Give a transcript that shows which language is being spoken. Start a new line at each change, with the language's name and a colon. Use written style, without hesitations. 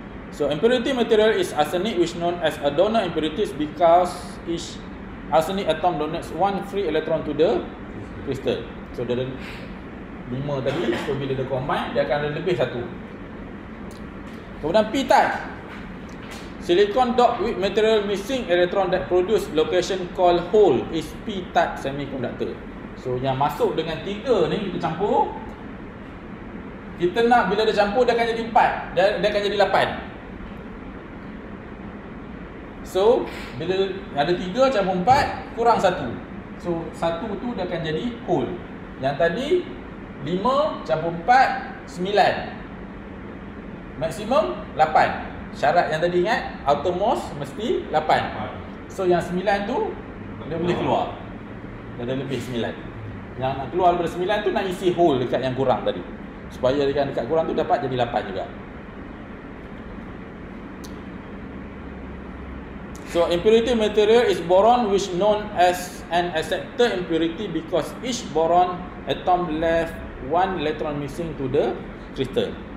English: So impurity material is arsenic, which known as a donor impurity because each arsenic atom donates 1 free electron to the crystal.
Malay: So the 5 tadi, so bila dia combine, dia akan ada lebih 1. Kemudian P-type.
English: Silicon doped with material missing electron that produce location called hole is P-type semiconductor.
Malay: So yang masuk dengan 3 ni kita campur, kita nak bila dia campur dia akan jadi 4, dia akan jadi 8. So bila ada 3 campur 4 kurang 1. So 1 tu dia akan jadi hole. Yang tadi 5 campur 4 9. Maksimum 8. Syarat yang tadi ingat, outermost mesti 8. So yang 9 tu dia boleh keluar. Dia ada lebih 9. Yang nak keluar daripada 9 tu nak isi hole dekat yang kurang tadi. Supaya yang dekat kurang tu dapat jadi 8 juga.
English: So impurity material is boron, which known as an acceptor impurity because each boron atom left 1 electron missing to the crystal.